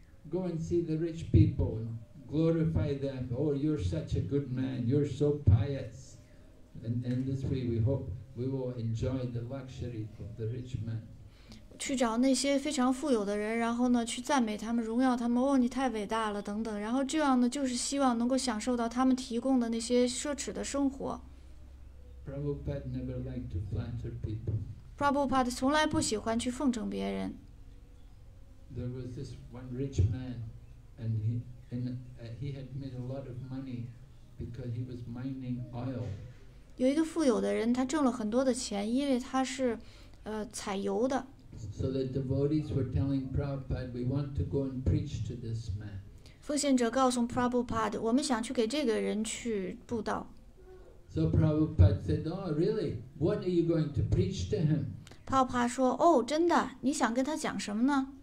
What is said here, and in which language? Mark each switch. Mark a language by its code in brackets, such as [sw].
[en] Go and see the rich people, glorify them. Oh, you're such a good man. You're so pious. And in this way, we hope we will enjoy the luxury of the rich man. [zh] 去找那些非常富有的人，然后呢，去赞美他们，荣耀他们。哦，你太伟大了，等等。然后这样呢，就是希望能够享受到他们提供的那些奢侈的生活。 [en] Prabhupada never liked to flatter people. [zh] Prabhupada 从来不喜欢去奉承别人。 [en] There was this one rich man, and he had made a lot of money because he was mining oil. [zh] 有一个富有的人，他挣了很多的钱，因为他是，采油的。 [en] So the devotees were telling Prabhupada, "We want to go and preach to this man." [zh] 奉献者告诉 Prabhupada， 我们想去给这个人去布道。 [en] So Prabhupada said, "Oh, really? What are you going to preach to him?" [zh] 泡帕说，哦，真的？你想跟他讲什么呢？